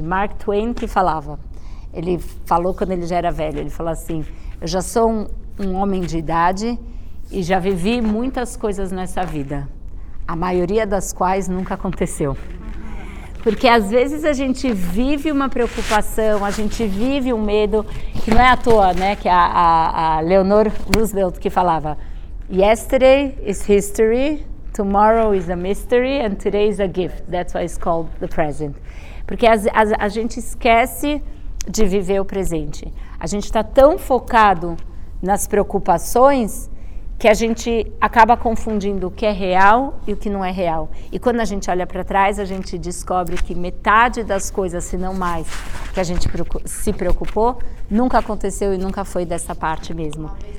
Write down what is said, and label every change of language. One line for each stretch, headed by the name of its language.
Portuguese: Mark Twain que falava, ele falou quando ele já era velho, ele falou assim, eu já sou um homem de idade e já vivi muitas coisas nessa vida, a maioria das quais nunca aconteceu. Porque às vezes a gente vive uma preocupação, a gente vive um medo, que não é à toa, né? Que a Leonor Roosevelt que falava,
English: yesterday is history, tomorrow is a mystery, and today is a gift. That's why it's called the present.
Portuguese: Porque a gente esquece de viver o presente. A gente está tão focado nas preocupações que a gente acaba confundindo o que é real e o que não é real. E quando a gente olha para trás, a gente descobre que metade das coisas, se não mais, que a gente se preocupou, nunca aconteceu e nunca foi dessa parte mesmo.